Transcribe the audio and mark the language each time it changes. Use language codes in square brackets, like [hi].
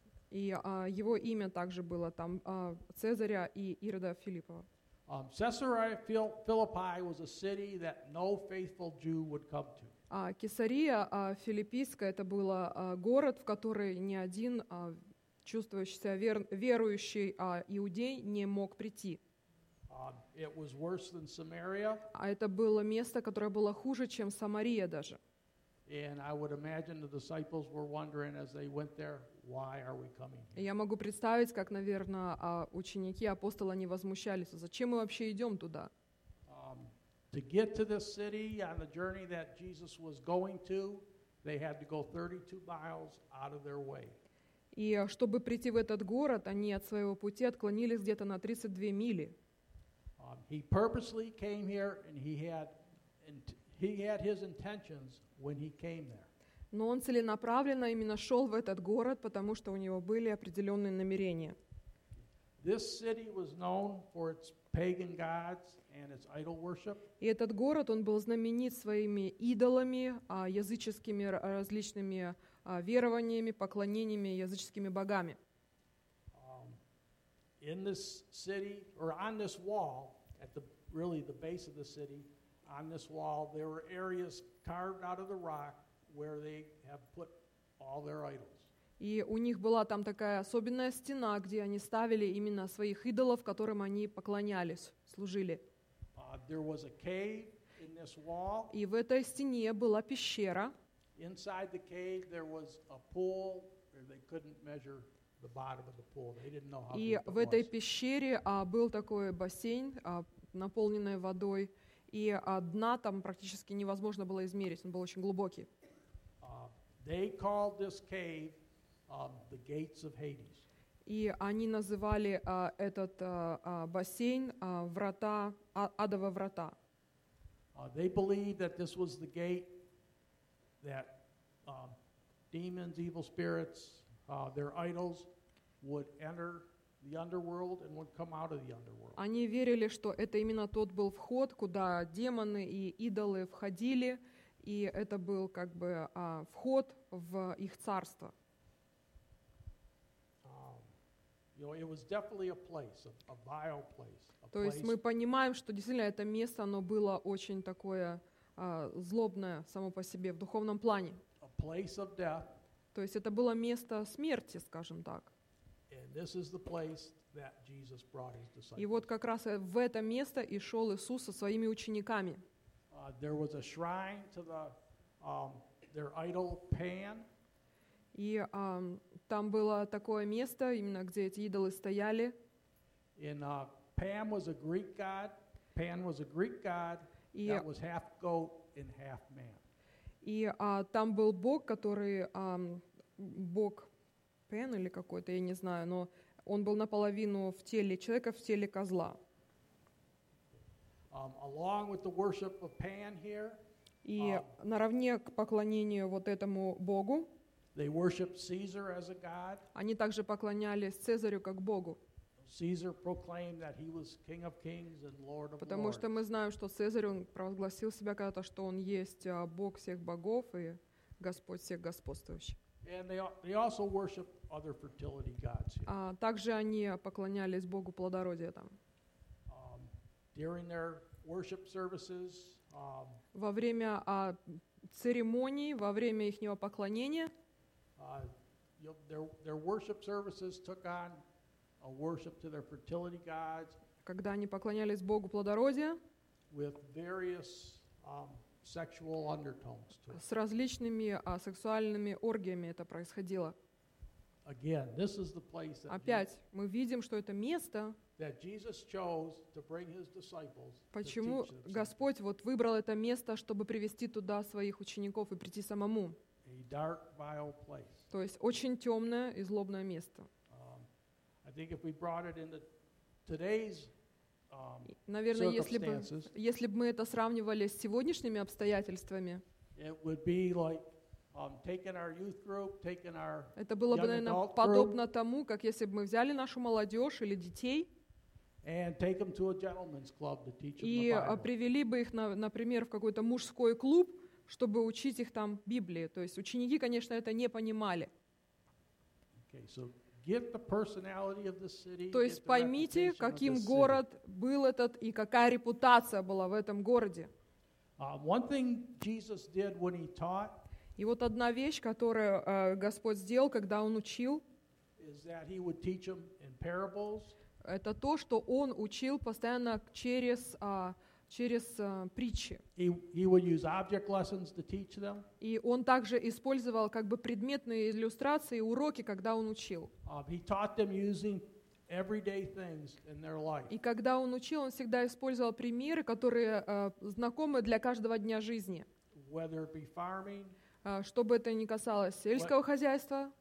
[ru] И его имя также было там, Цезаря и Ирода Филиппова. [en] Caesarea Philippi was a city that no faithful Jew would come to. [ru] Кесария Филиппийская, это был город, в который ни один чувствующий себя верующий иудей не мог прийти. [en] It was worse than Samaria. [ru] А это было место, которое было хуже, чем Самария даже. [en] And I would imagine the disciples were wondering as they went there, why are we coming here? [ru] Я могу представить, как, наверное, ученики апостола не возмущались, зачем мы вообще идем туда? [en] To get to this city on the journey that Jesus was going to, they had to go 32 miles out of their way. [ru] И чтобы прийти в этот город, они от своего пути отклонились где-то на 32 мили. [en] He purposely came here, and he had his intentions when he came there. [ru] Но он целенаправленно именно шел в этот город, потому что у него были определенные намерения. [en] This city was known for its pagan gods and its idol worship. [ru] И этот город, он был знаменит своими идолами, языческими различными верованиями, поклонениями языческими богами. [en] In this city, or on this wall, at the really the base of the city, on this wall, there were areas carved out of the rock where they have put all their idols. [ru] И у них была там такая особенная стена, где они ставили именно своих идолов, которым они поклонялись, служили. [en] There was a cave in this wall. [ru] И в этой стене была пещера. [en] Inside the cave, there was a pool where they couldn't measure the bottom of the pool. They didn't know how deep it was. [ru] И в этой пещере был такой бассейн, наполненный водой, и дна там практически невозможно было измерить. Он был очень глубокий. [en] They called this cave the gates of Hades. [ru] И они называли этот бассейн врата адова врата. [en] They believed that this was the gate that demons, evil spirits, their idols would enter the underworld and would come out of the underworld. [ru] Они верили, что это именно тот был вход, куда демоны и идолы входили, и это был как бы вход в их царство. [en] You know, it was definitely a place, a vile place. [ru] То есть мы понимаем, что действительно это место, оно было очень такое злобное само по себе в духовном плане. [en] A place of death. [ru] То есть это было место смерти, скажем так. [en] And this is the place that Jesus brought his disciples. [ru] И вот как раз в это место и шел Иисус со своими учениками. [en] There was a shrine to the their idol Pan. [ru] И там было такое место, именно где эти идолы стояли. [en] And Pan was a Greek god. Pan was a Greek god that was half goat and half man. [ru] И там был бог, который бог Пен или какой-то, я не знаю, но он был наполовину в теле человека, в теле козла. [en] Along with the worship of Pan here. [ru] И наравне к поклонению вот этому богу. [en] They worshiped Caesar as a god. [ru] Они также поклонялись Цезарю как богу. [en] Caesar proclaimed that he was king of kings and lord of lords. [ru] Потому что мы знаем, что Цезарь, он провозгласил себя когда-то, что он есть бог всех богов и господь всех господствующих. [en] And they also worshiped other fertility gods. [ru] А также они поклонялись богу плодородия там. [en] During their worship services. [ru] Во время церемоний, во время ихнего поклонения. [en] Their worship services took on a worship to their fertility gods. [ru] Когда они поклонялись богу плодородия. [en] With various sexual undertones to it. [ru] С различными сексуальными оргиями это происходило. [en] Again, this is the place that. [ru] Опять мы видим, что это место. [en] That Jesus chose to bring his disciples. [ru] Почему Господь вот выбрал это место, чтобы привести туда своих учеников и прийти самому? [en] A dark, vile place. [ru] То есть очень темное и злобное место. [en] I think if we brought it into today's [ru] наверное, если бы мы это сравнивали с сегодняшними обстоятельствами, [en] it would be like, taking our youth group, taking our [ru] это было бы, наверное, [en] adult group, [ru] подобно тому, как если бы мы взяли нашу молодежь или детей [en] and take them to a gentleman's club to teach them [ru] и привели бы их, например, в какой-то мужской клуб, чтобы учить их там Библии. То есть ученики, конечно, это не понимали. [en] Okay, so get the personality of the city, [ru] то есть поймите, каким город был этот и какая репутация была в этом городе. [en] One thing Jesus did when he taught, [ru] и вот одна вещь, которую Господь сделал, когда Он учил, [en] is that he would teach them in parables, [ru] это то, что Он учил постоянно через через притчи. [en] He would use object lessons to teach them. [ru] И он также использовал как бы предметные иллюстрации, уроки, когда он учил. [en] He taught them using everyday things in their life. [ru] И когда он учил, он всегда использовал примеры, которые знакомы для каждого дня жизни. [en] Whether it be farming, [ru] что бы это ни касалось сельского хозяйства,